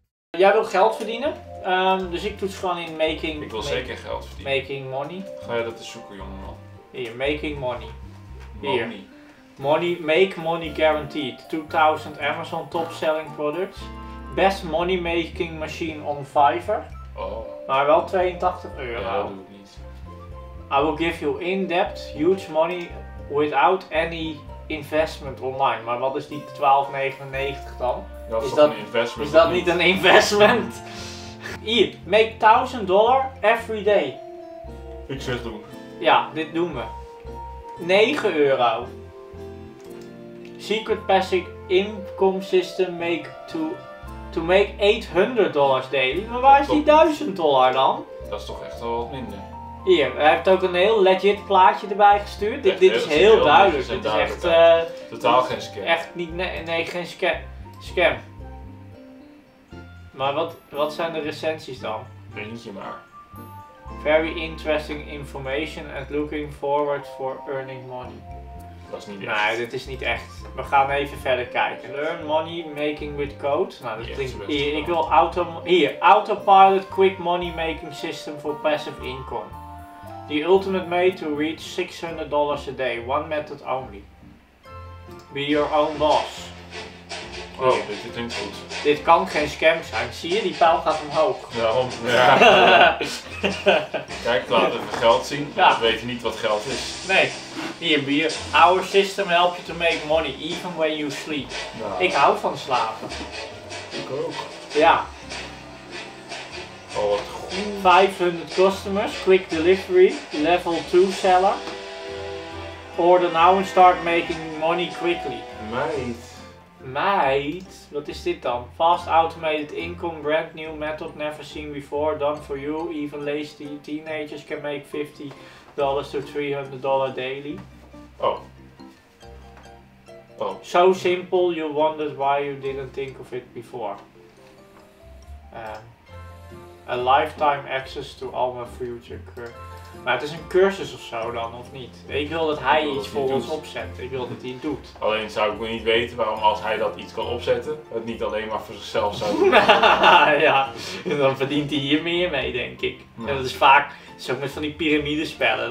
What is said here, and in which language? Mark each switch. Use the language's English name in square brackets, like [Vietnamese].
[Dutch] Jij wil geld verdienen? Dus ik toets gewoon in making... Ik wil zeker geld verdienen. [English] Making money. [Dutch] Ga jij dat eens zoeken, jongeman. [English] Hier, making money. Hier. Money. Money, make money guaranteed. 2000 Amazon top selling products. Best money making machine on Fiverr. Oh. [Dutch] Maar wel €82. Ja, dat doe ik niet. [English] I will give you in-depth huge money without any investment online. [Dutch] Maar wat is die 12,99 dan? Dat is dat een investment? Is dat niet een investment? [English] Iep, make $1000 every day. [Dutch] Ik zeg doen. Ja, dit doen we. €9. [English] Secret passive income system make to make $800 daily. [Dutch] Maar waar is die $1000 dan? Dat is toch echt wel wat minder. Hier, hij heeft ook een heel legit plaatje erbij gestuurd. Echt, dit is heel duidelijk. Dit is echt totaal geen scam. Echt niet, nee geen scam. Maar wat zijn de recensies dan? Eentje maar. [English] Very interesting information and looking forward for earning money. [Dutch] Dat is niet nee, echt. Nee, dit is niet echt. We gaan even verder kijken. [English] Learn money making with code. [Dutch] Nou, dat klinkt... Hier, ik wil [English] autopilot quick money making system for passive income. The ultimate way to reach $600 a day. One method only. Be your own boss. [Dutch] Oh, dit klinkt goed. Dit kan geen scam zijn. Zie je, die pijl gaat omhoog. Ja, Kijk, laat even geld zien. Ja. We weten niet wat geld is. Nee. Hier. [English] Our system helps you to make money even when you sleep. [Dutch] Ja. Ik hou van slapen. Ik ook. Ja. Oh, wat goed. [English] 500 customers, quick delivery, level 2 seller. Order now and start making money quickly. [Dutch] Meid, wat is dit dan? [English] Fast automated income, brand new method, never seen before, done for you. Even lazy teenagers can make $50 to $300 daily. Oh. Oh. So simple, you wondered why you didn't think of it before. A lifetime access to all my future [Dutch] Maar het is een cursus of zo dan, of niet? Ik wil dat hij iets voor ons opzet. Ik wil dat hij het doet. Alleen zou ik niet weten waarom als hij dat iets kan opzetten, het niet alleen maar voor zichzelf zou doen. Ja, dan verdient hij hier meer mee, denk ik. Ja. En dat is vaak, dat is ook met van die piramidespellen.